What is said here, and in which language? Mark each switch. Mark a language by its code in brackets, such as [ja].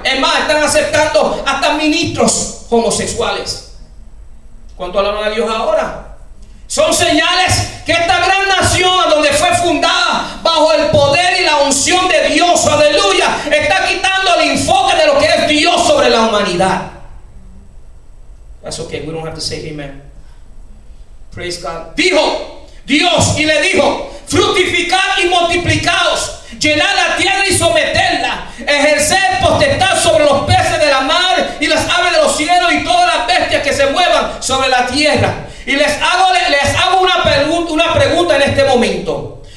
[es] Es más, están aceptando hasta ministros homosexuales. ¿Cuánto alaban a Dios ahora? Son señales que esta gran nación, a donde fue fundada bajo el poder y la unción de Dios, aleluya, está quitando el enfoque de lo que es Dios sobre la humanidad. [en] That's okay, we don't have to say amen. Praise God. [es] Dijo Dios y le dijo: fructificad y multiplicaos, llenad la tierra y someterla, ejercer potestad sobre los peces de la mar y las aves de los cielos y todas las bestias que se muevan sobre la tierra. Y les hago una pregunta en este momento.